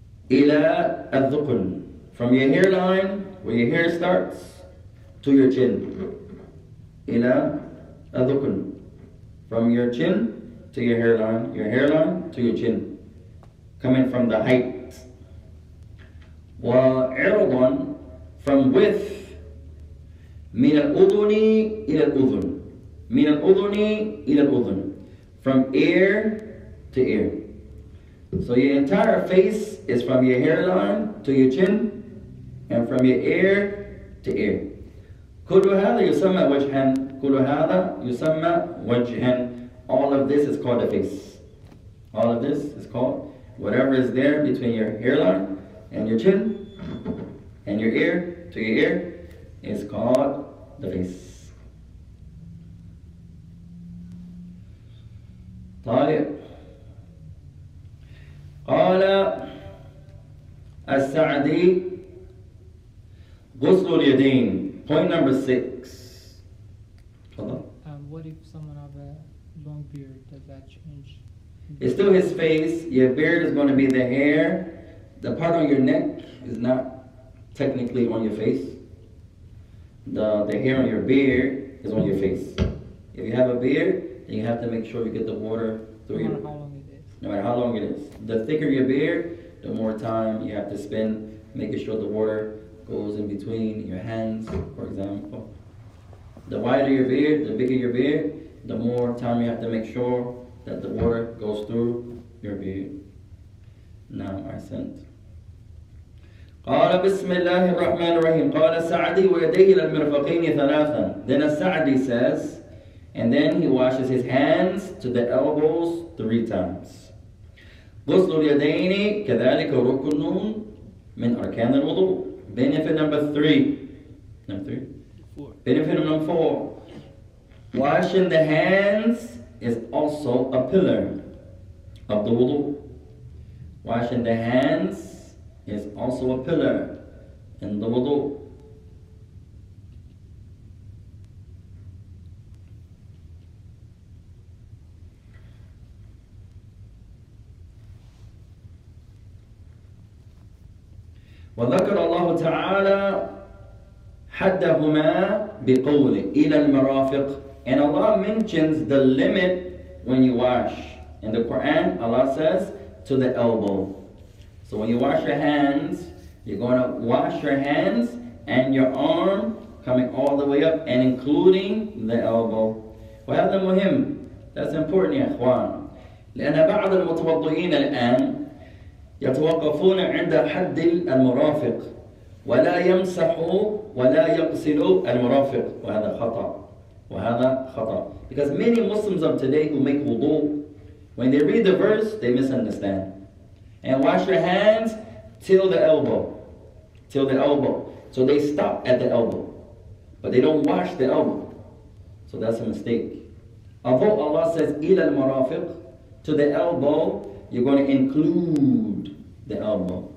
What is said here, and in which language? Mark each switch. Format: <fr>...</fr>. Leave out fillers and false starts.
<ar>إِلَى الذُّقُنْ.</ar> <en>From your hairline, where your hair starts, to your chin.</en> <ar>إِلَى الذُّقُنْ.</ar> <en>From your chin to your hairline to your chin. Coming from the height.</en> <ar>وعرضاً</ar> <en>from width</en> <ar>من الأذن إلى الأذن. من الأذن إلى الأذن.</ar> <en>From ear to ear. So your entire face is from your hairline to your chin and from your ear to ear.</en> <ar>كل هذا يسمى وجهاً. كل هذا يسمى وجهاً.</ar> <en>All of this is called a face. All of this is called whatever is there between your hairline and your chin and your ear to your ear is called the face.</en> <ar>طيب قال السعدي غسل اليدين.</ar> <en>Point number six. What if someone have a long beard, does that change? It's still his face. Your beard is going to be the hair. The part on your neck is not technically on your face. The hair on your beard is on your face. If you have a beard, then you have to make sure you get the water through your... No matter how long it is. The thicker your beard, the more time you have to spend making sure the water goes in between your hands, for example. The wider your beard, the bigger your beard, the more time you have to make sure that the water goes through your beard. Now I sent.</en> <ar>قال بسم الله الرحمن الرحيم قال سعدي ويديه للمرفقين ثلاثا.</ar> <en>Then Sa'di says, and then he washes his hands to the elbows three times.</en> <ar>غسل اليدين كذلك ركن من أركان الوضوء.</ar> <en>Benefit number four. Washing the hands is also a pillar of the wudu. Washing the hands is also a pillar in the wudu.</en> <ar>وذكر الله تعالى حدهما بقوله إلى المرافق.</ar> <en>And Allah mentions the limit when you wash. In the Quran, Allah says to the elbow. So when you wash your hands, you're going to wash your hands and your arm coming all the way up and including the elbow.</en> <ar>وهذا مهم.</ar> <en>That's important,</en> <ar>يا إخوان. لأن بعض المتوضئين الآن يتوقفون عند حد المرافق ولا يمسحوا ولا يغسلوا المرافق. وهذا خطأ. وهذا خطأ.</ar> <en>Because many Muslims of today who make wudu, when they read the verse, they misunderstand. And wash your hands till the elbow. Till the elbow. So they stop at the elbow. But they don't wash the elbow. So that's a mistake. Although Allah says,</en> <ar>إلى المرافق,</ar> <en>to the elbow, you're going to include the elbow.</en>